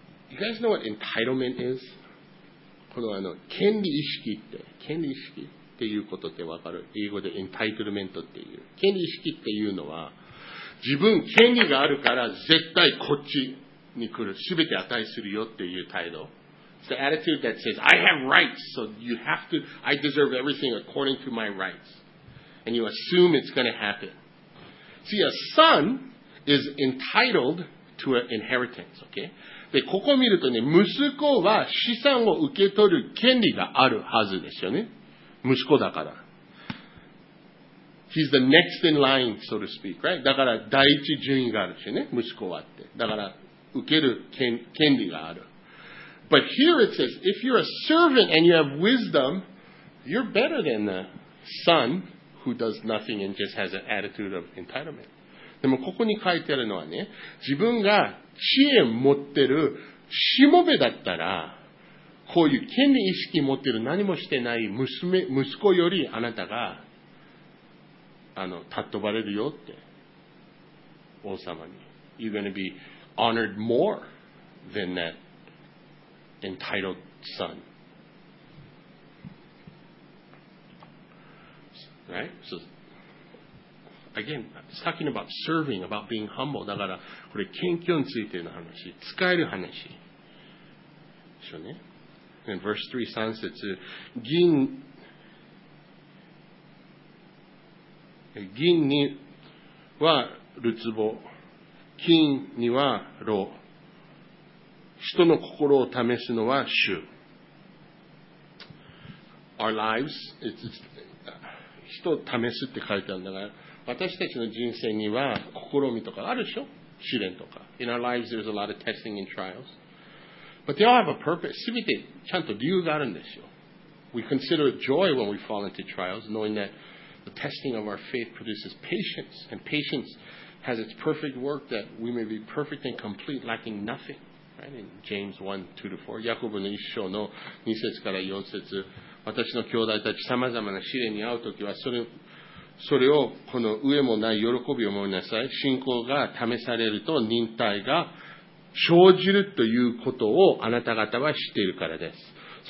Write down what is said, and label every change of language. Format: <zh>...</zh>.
<en>You guys know what entitlement is?</en> <ja>このあの権利意識って、権利意識っていうことってわかる？英語で entitlement っていう、権利意識っていうのは自分権利があるから絶対こっちに来る、全て値するよっていう態度。</ja> <en>It's the attitude that says, I have rights, so you have to, I deserve everything according to my rights. And you assume it's going to happen. See, a son is entitled to an inheritance, okay?</en> <ja>で、ここを見るとね、息子は資産を受け取る権利があるはずですよね。息子だから。</ja> <en>He's the next in line, so to speak, right?</en> <ja>だから第一順位があるしね、息子はって。だから、受ける権利がある。</ja> <en>But here it says, if you're a servant and you have wisdom, you're better than the son who does nothing and just has an attitude of entitlement.</en> <ja>でもここに書いてあるのはね、自分が知恵持ってるしもべだったら、こういう権利意識持ってる何もしてない息子よりあなたが、たっ飛ばれるよって。王様に。</ja> <en>You're gonna be... honored more than that entitled son. Right? So, again, it's talking about serving, about being humble.</en> <ja>だから、これ、謙虚についての話、使える話。でしょうね。</ja> <en>And verse 3,</en> <ja>三節、銀にはるつぼ、金には炉、人の心を試すのは主。</ja> <en>Our lives, it's</en> <ja>人を試すって書いてあるんだから、私たちの人生には試みとかあるでしょ、試練とか。</ja> <en>In our lives, there's a lot of testing and trials. But they all have a purpose.</en> <ja>全てちゃんと理由があるんですよ。</ja> <en>We consider joy when we fall into trials, knowing that the testing of our faith produces patience, and patience. Has its perfect work that we may be perfect and complete, lacking nothing. Right? In James 1:2-4,</en> <ja>ヤコブの一章の2節から4節、私の兄弟たち様々な試練に遭うときはそれをこの上もない喜びを思いなさい。信仰が試されると忍耐が生じるということをあなた方は知っているからです。</ja>